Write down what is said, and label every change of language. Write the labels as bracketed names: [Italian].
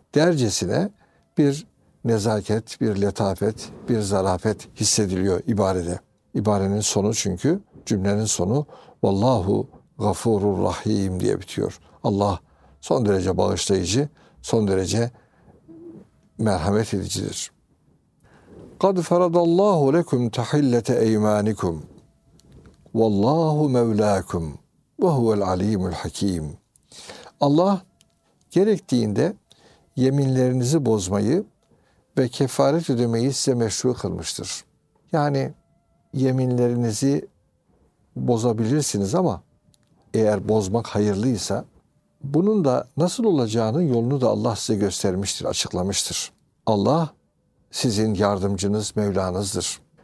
[Turkish] Dercesine bir nezaket, bir letafet, bir zarafet hissediliyor ibarede. İbarenin sonu çünkü cümlenin sonu [Arabic] Vallahu gafurur rahim [Turkish] diye bitiyor. Allah son derece bağışlayıcı, son derece merhamet edicidir. [Arabic] قَدْ فَرَضَ اللّٰهُ لَكُمْ تَحِلَّةَ اَيْمَانِكُمْ وَاللّٰهُ مَوْلَاكُمْ وَهُوَ الْعَل۪يمُ الْحَك۪يمُ [Turkish] Allah gerektiğinde yeminlerinizi bozmayı ve kefaret ödemeyi size meşru kılmıştır. Yani yeminlerinizi bozabilirsiniz ama eğer bozmak hayırlıysa bunun da nasıl olacağının yolunu da Allah size göstermiştir, açıklamıştır. Allah sizin yardımcınız, Mevlanızdır.